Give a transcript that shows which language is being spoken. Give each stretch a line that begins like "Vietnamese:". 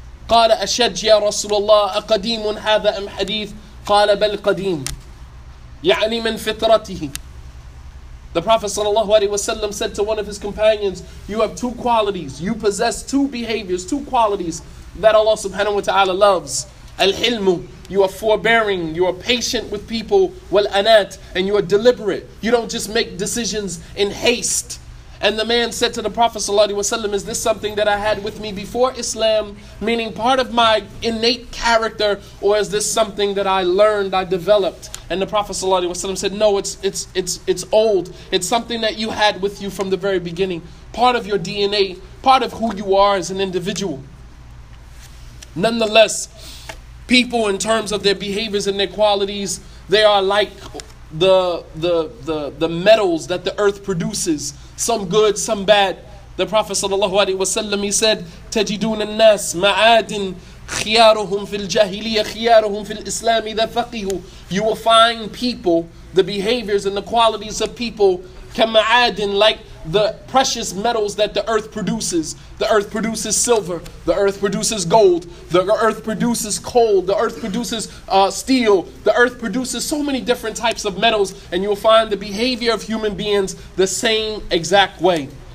Arabic: قال أشج يا رسول الله أقديم هذا أم حديث قال بل قديم يعني من فطرته.
English: The Prophet sallallahu alaihi wasallam said to one of his companions, "You have two qualities. You possess two behaviors, two qualities that Allah subhanahu wa taala loves. الحلم, you are forbearing, you are patient with people. والأنات, and you are deliberate. You don't just make decisions in haste." And the man said to the Prophet ﷺ, "Is this something that I had with me before Islam, meaning part of my innate character, or is this something that I learned, I developed?" And the Prophet ﷺ said, "No, it's old. It's something that you had with you from the very beginning. Part of your DNA, part of who you are as an individual." Nonetheless, people in terms of their behaviors and their qualities, they are like the metals that the earth produces. Some good, some bad. The Prophet sallallahu alaihi wasallam, he said,
Arabic: "تجدون الناس معادن خيارهم في الجاهلية خيارهم في الإسلام إذا فقهوا."
English: You will find people, the behaviors and the qualities of people, كمعادن, like the precious metals that the earth produces. The earth produces silver. The earth produces gold. The earth produces coal. The earth produces steel. The earth produces so many different types of metals. And you'll find the behavior of human beings the same exact way.